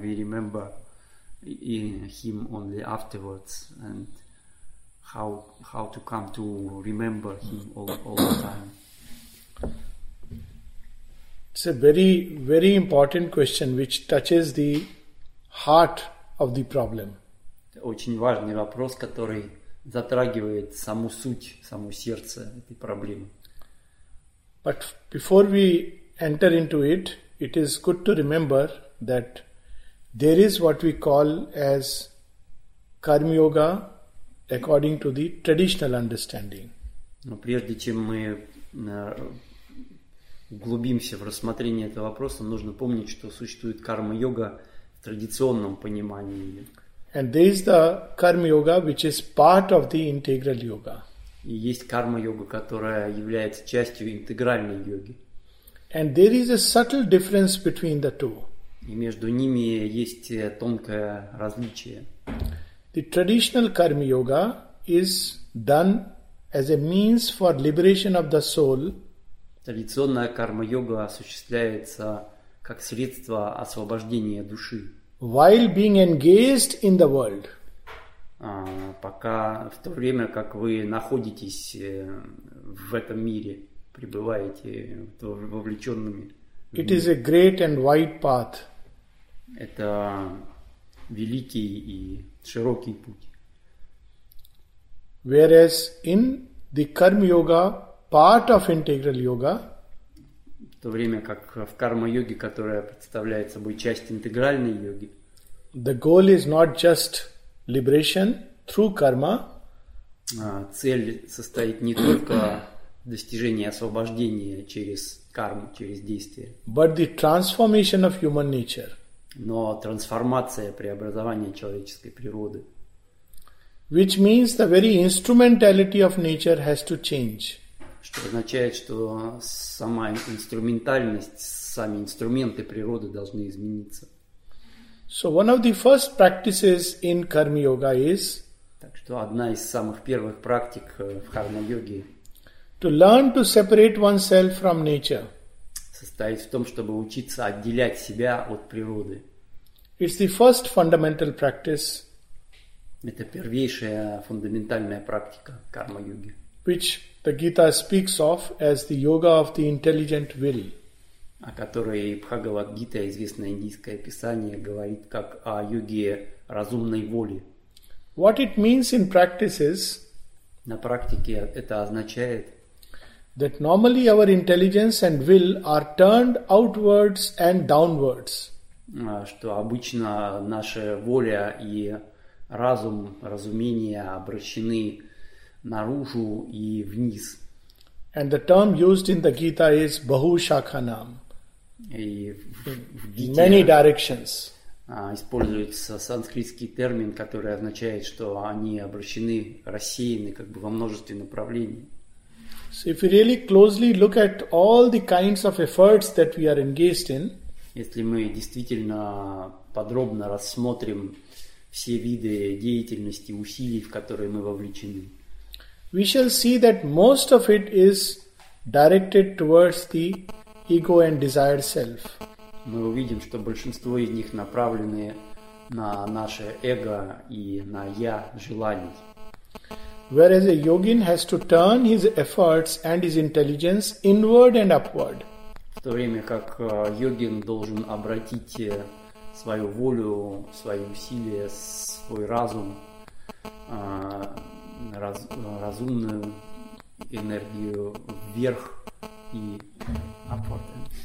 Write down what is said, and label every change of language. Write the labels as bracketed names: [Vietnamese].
[English] We remember him only afterwards, and how to come to remember him all the time. It's a very, very important question which touches the heart of the problem. [Russian] Очень важный вопрос, который затрагивает саму суть, саму сердце этой проблемы. [English] But before we enter into it, it is good to remember that there is what we call as karma yoga according to the traditional understanding. [Russian] Но прежде чем мы углубимся в рассмотрение этого вопроса, нужно помнить, что существует карма йога в традиционном понимании. [English] And there is the karma yoga which is part of the integral yoga. [Russian] И есть карма-йога, которая является частью интегральной йоги. [English] And there is a subtle difference between the two. [Russian] И между ними есть тонкое различие. [English] The traditional karma yoga is done as a means for liberation of the soul. [Russian] Традиционная карма-йога осуществляется как средство освобождения души. [English] While being engaged in the world. [Russian] Пока в то время, как вы находитесь в этом мире, пребываете вовлеченными. [English] It is a great and wide path. [Russian] Это великий и широкий путь. [English] Whereas in the karma yoga, part of integral yoga. [Russian] В то время, как в карма йоге, которая представляет собой часть интегральной йоги. [English] The goal is not just liberation. Through karma, [Russian] цель состоит не только в достижении освобождения через карму, через действие, [English] but the transformation of human nature, [Russian] но трансформация, преобразование человеческой природы, [English] which means the very instrumentality of nature has to change, [Russian] что означает, что сама инструментальность, сами инструменты природы должны измениться. [English] So one of the first practices in karma yoga is. [Russian] Так что одна из самых первых практик в карма-йоге. [English] To learn to separate oneself from nature. [Russian] Состоит в том, чтобы учиться отделять себя от природы. [English] It's the first fundamental practice. [Russian] Это первейшая фундаментальная практика карма-йоги. [English] Which the Gita speaks of as the yoga of the intelligent will. [Russian] О которой Бхагавад-гита, известное индийское писание, говорит как о йоге разумной воли. [English] What it means in practice is, [Russian] на практике это означает, [English] that normally our intelligence and will are turned outwards and downwards. [Russian] Что обычно наша воля и разум, разумение обращены наружу и вниз. [English] And the term used in the Gita is bahushakhanam. In many directions. [Russian] Используется санскритский термин, который означает, что они обращены, рассеяны как бы во множестве направлений. [English] So if we really closely look at all the kinds of efforts that we are engaged in, [Russian] если мы действительно подробно рассмотрим все виды деятельности, усилий, в которые мы вовлечены. [English] We shall see that most of it is directed towards the ego and desired self. [Russian] Мы увидим, что большинство из них направлены на наше эго и на я желаний. [English] Whereas a yogin has to turn his efforts and his intelligence inward and upward. [Russian] В то время как йогин должен обратить свою волю, свои усилия, свой разум, разумную энергию вверх и [English] upward.